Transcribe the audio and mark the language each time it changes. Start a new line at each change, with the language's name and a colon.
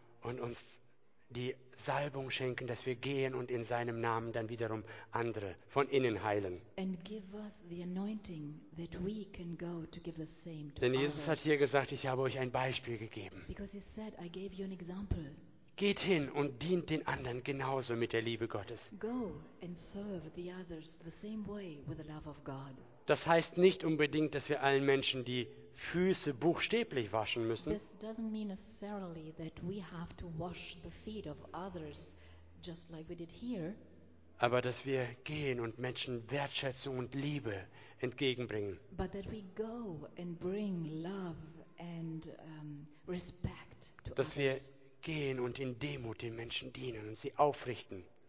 German: Und uns die Salbung schenken, dass wir gehen und in seinem Namen dann wiederum andere von innen heilen.
English: And give us the anointing that we can go to give the same to.
German: Denn Jesus Hat hier gesagt, ich habe euch ein Beispiel gegeben.
English: Because he said, I gave you an example.
German: Geht hin und dient den anderen genauso mit der Liebe Gottes.
English: Go and serve the others the same way with the love of God.
German: Das heißt nicht unbedingt, dass wir allen Menschen die Füße buchstäblich waschen müssen.
English: This doesn't mean necessarily that we have to wash the feet of others just like we did here.
German: Aber dass wir gehen und Menschen Wertschätzung und Liebe entgegenbringen.
English: But that we go and bring love and respect to others.
German: Dass wir gehen und in Demut den Menschen dienen und sie aufrichten.